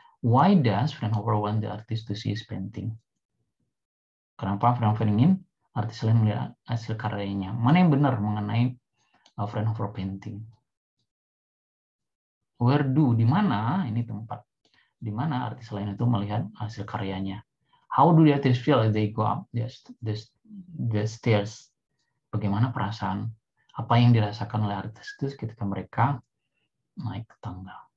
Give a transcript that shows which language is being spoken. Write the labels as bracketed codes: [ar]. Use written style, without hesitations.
[en] Why does Vanover want the artist to see his painting? [id] Kenapa Vanover ingin artis lain melihat hasil karyanya? Mana yang benar mengenai Vanover painting? [en] Where do, [id] di mana, ini tempat, di mana artis lain itu melihat hasil karyanya? [en] How do the artist feel if they go up the stairs? [id] Bagaimana perasaan, apa yang dirasakan oleh artis itu ketika mereka naik ke tangga?